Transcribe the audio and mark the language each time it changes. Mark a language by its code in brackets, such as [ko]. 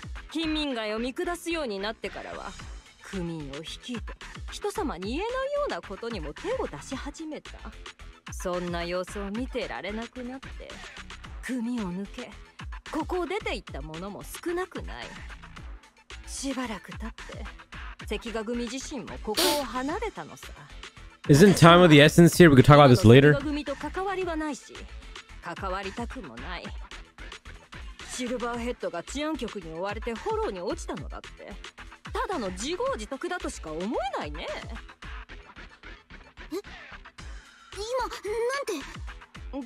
[ja] 貧民街を見下すようになってからは、区民を率いて人様に言えないようなことにも手を出し始めた。そんな様子を見てられなくなって、組を抜け、ここを出て行った者も少なくない。しばらく経って、関ヶ組自身もここを離れたのさ。 [en] Isn't time of the essence here? We could talk about this later. [ja] 関ヶ組と関わりはないし、関わりたくもない。シルバーヘッドが治安局に追われてフォローに落ちたのだって、ただの自業自得だとしか思えないね。え、今なんて。